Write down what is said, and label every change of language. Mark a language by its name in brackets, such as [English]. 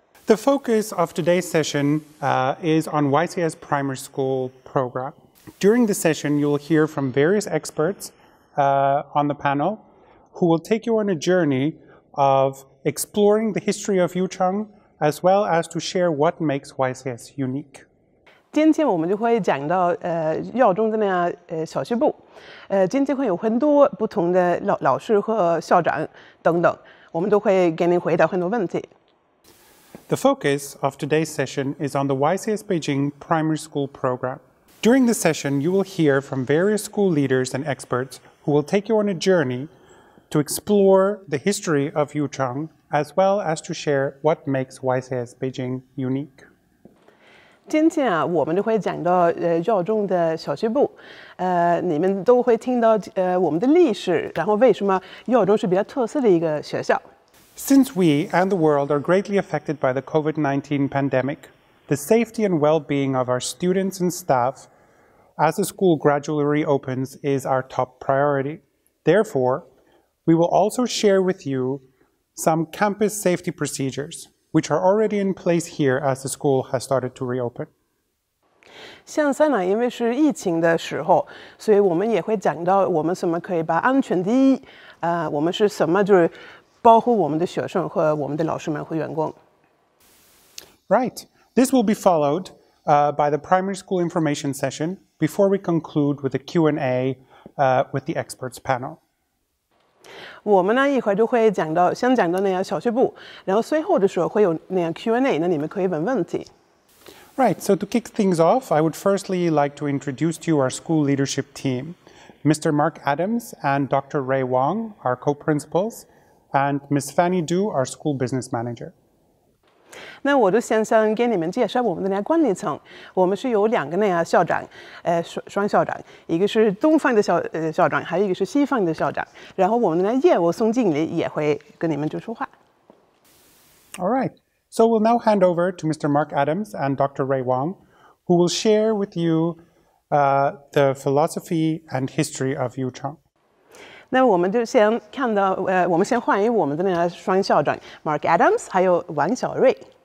[English] The focus of today's session is on YCIS Primary School Program. During the session, you'll hear from various experts on the panel who will take you on a journey of exploring the history of Yucheng as well as to share what makes YCIS unique. [Chinese] 今天我们就会讲到耀中的小学部。今天会有很多不同的 老师和校长等等，我们都会给您回答很多问题。 [English] The focus of today's session is on the YCIS Beijing Primary School Program. During the session, you will hear from various school leaders and experts who will take you on a journey to explore the history of Yucheng as well as to share what makes YCIS Beijing unique. [Chinese] 今天啊，我们就会讲到耀中的小学部，你们都会听到我们的历史，然后为什么耀中是比较特色的一个学校。 [English] Since we and the world are greatly affected by the COVID-19 pandemic, the safety and well-being of our students and staff as the school gradually reopens is our top priority. Therefore, we will also share with you some campus safety procedures, which are already in place here as the school has started to reopen. [Chinese] 像三呢，因为是疫情的时候，所以我们也会讲到我们怎么可以把安全第一，我们是什么就是包括我们的学生和我们的老师们和员工。 [English] Right. This will be followed by the primary school information session before we conclude with a Q&A with the experts panel. [Chinese] 我们呢一会儿就会讲到先讲到那样小学部，然后随后的时候会有那样 Q&A， 那你们可以问问题。 [English] Right. So to kick things off, I would firstly like to introduce to you our school leadership team. Mr. Mark Adams and Dr. Ray Wong, our co-principals. And Ms. Fanny Du, our school business manager. [Chinese] 那我就先想给你们介绍我们的那管理层。我们是有两个那校长，双校长，一个是东方的校长，还有一个是西方的校长。然后我们的业务宋经理也会跟你们就说话。 [English] All right. So we'll now hand over to Mr. Mark Adams and Dr. Ray Wong, who will share with you the philosophy and history of Yucheng. [Chinese] 那我们就先看到，我们先欢迎我们的那个双校长 Mark Adams 还有王小瑞。